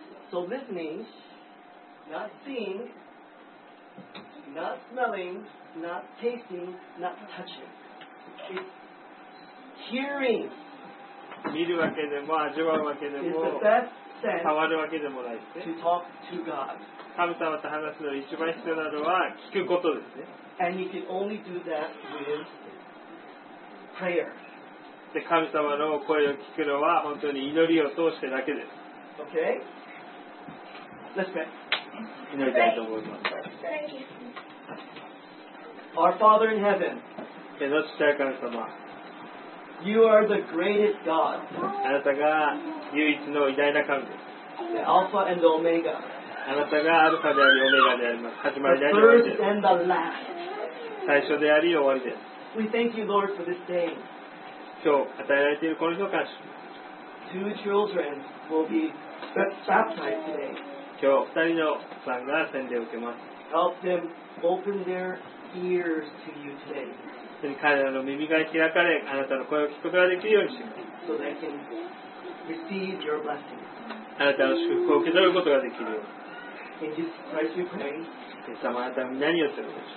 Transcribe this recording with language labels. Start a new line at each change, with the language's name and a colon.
English: So listening, not seeing, not smelling, not tasting, not touching. It's hearing.
Japanese: 見るわけでも味わうわけでも。触るわけでもないですね。
English: To talk to God.
Japanese: 神様と話すの一番必要なのは聞くことですね。
English: And you can only do that with prayer.
Japanese: で、神様の声を聞くのは本当に祈りを通してだけです。
English: Okay? Let's pray.
Japanese: 祈りたいと思います。
English: Thank you. Our Father in heaven.
Japanese: 天の父なる神様。
English: You are the greatest God.
Japanese: あなたが唯一の偉大な神です。
English: The Alpha and the Omega.
Japanese: あなたがアルファであり、オメガであります。始まりであり、終わりです。
English: The first and the last.
Japanese: 最初であり、終わりです。
English: We thank you, Lord, for this day.
Japanese: 今日与えられているこの日の感謝。
English: Two children will be baptized today.
Japanese: 今日二人のさんが洗礼を受けます。
English: Help them open their ears to you today.
Japanese: 彼らの耳が開かれ、あなたの声を聞くことができるようにします。あなたの祝福を受け取ることができるように
English: 。 In Jesus Christ we pray.
Japanese: イエス様、あなたは何をするのでし